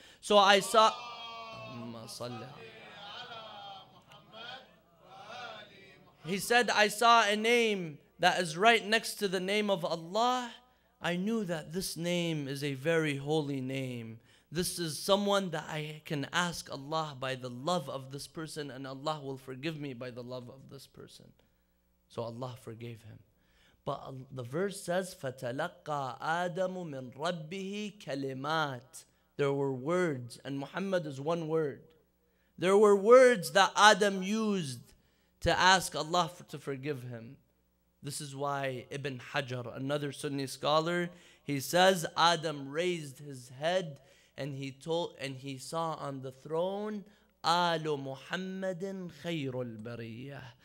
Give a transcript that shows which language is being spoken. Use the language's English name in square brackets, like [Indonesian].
[English] So I saw, [Arabic] Allahumma salli ala Muhammad. [English] He said, I saw a name that is right next to the name of Allah. I knew that this name is a very holy name. This is someone that I can ask Allah by the love of this person, and Allah will forgive me by the love of this person. So Allah forgave him. But the verse says, [Arabic] فَتَلَقَّى آدَمُ مِنْ رَبِّهِ كَلِمَاتٍ. [English] There were words, and Muhammad is one word. There were words that Adam used to ask Allah to forgive him. This is why Ibn Hajar, another Sunni scholar, he says, Adam raised his head and he told, and he saw on the throne, [Arabic] Alu Muhammadin Khayrul Bariyah.